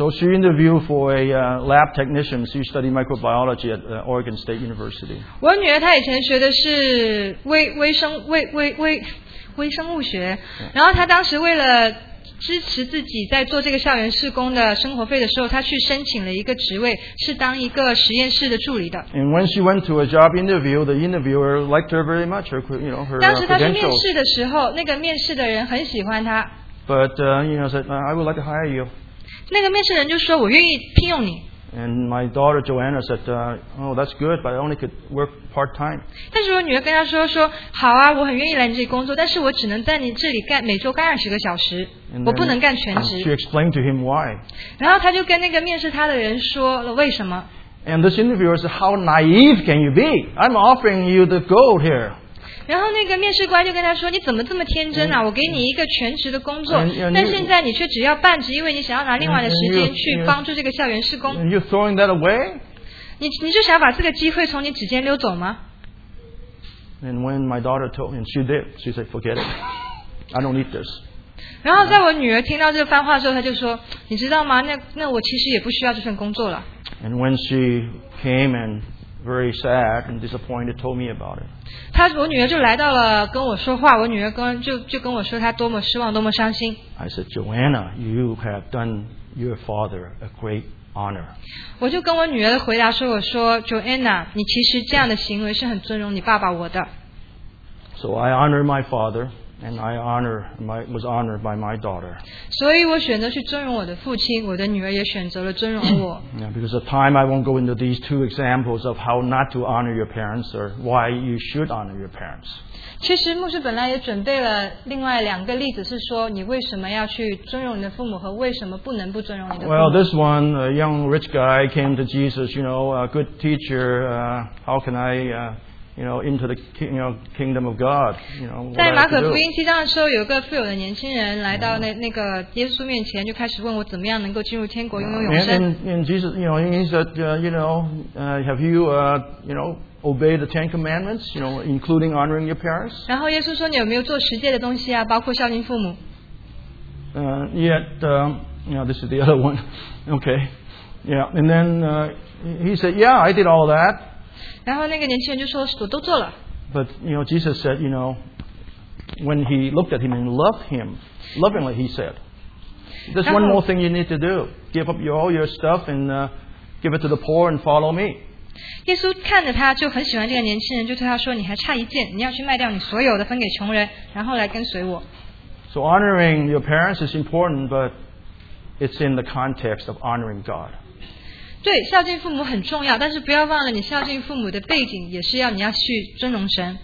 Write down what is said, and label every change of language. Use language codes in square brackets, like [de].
[en] So she interviewed for a lab technician. She studied microbiology at Oregon State University. [zh] 我女儿她以前学的是微生物学，然后她当时为了。支持自己在做这个校园事工的生活费的时候，他去申请了一个职位，是当一个实验室的助理的。 [en] And when she went to a job interview, the interviewer liked her very much. Her, you know, her credentials. [zh] 当时他去面试的时候，那个面试的人很喜欢他。 [en] But you know, said I would like to hire you. [zh] 那个面试人就说我愿意聘用你。 [en] And my daughter Joanna said, "Oh, that's good, but I only could work part time." [zh] 但是我女儿跟他说好啊，我很愿意来你这里工作，但是我只能在你这里干每周干20个小时。我不能干全职。 [en] She explained to him why. [zh] 然后他就跟那个面试他的人说了为什么。 [en] And this interviewer said, "How naive can you be? I'm offering you the gold here." [zh] 然后那个面试官就跟他说：“你怎么这么天真啊？我给你一个全职的工作，但现在你却只要半职，因为你想要拿另外的时间去帮助这个校园施工。 [en] And you're throwing that away? [zh] 你就想把这个机会从你指尖溜走吗？” [en] And when my daughter told me, she did. She said, "Forget it. I don't need this." [zh] 然后在我女儿听到这个番话之后，她就说：“你知道吗？那我其实也不需要这份工作了。” [en] And when she came and very sad and disappointed told me about it. [zh] 她我女儿就来到了跟我说话，我女儿就跟我说她多么失望，多么伤心。 [en] I said, "Joanna, you have done your father a great honor." [zh] 我就跟我女儿的回答说，我说 ，Joanna， 你其实这样的行为是很尊荣你爸爸我的。 [en] So I honor my father. And I honor my was honored by my daughter. [zh] 所以我选择去尊荣我的父亲，我的女儿也选择了尊荣我。 [en] Yeah, because of time, I won't go into these two examples of how not to honor your parents or why you should honor your parents. [zh] 其实牧师本来也准备了另外两个例子，是说你为什么要去尊荣你的父母和为什么不能不尊荣你的父母。 [en] Well, this one, a young rich guy came to Jesus. You know, a good teacher. How can I? You know, into the kingdom of God. You know, [zh] 在马可福音七章的时候，有一个富有的年轻人来到那个耶稣面前，就开始问我怎么样能够进入天国，拥有永生。 [en] And Jesus, you know, he said, have you, obeyed the Ten Commandments? You know, including honoring your parents. [zh] 然后耶稣说，你有没有做十诫的东西啊？包括孝敬父母。 [en] This is the other one. Okay. Yeah, and then he said, "Yeah, I did all that." [zh] 然后那个年轻人就说我都做了。 [en] But you know, Jesus said, you know, when he looked at him and loved him lovingly, he said, "There's one more thing you need to do. Give up all your stuff and give it to the poor and follow me. [zh] 耶稣看着他就很喜欢这个年轻人, 就对他说, 你还差一件, 你要去卖掉你所有的, 分给穷人, 然后来跟随我。 [en] So honoring your parents is important, but it's in the context of honoring God. [zh] 对, 孝敬父母很重要, 但是不要忘了你孝敬父母的背景, 也是要你要去尊荣神。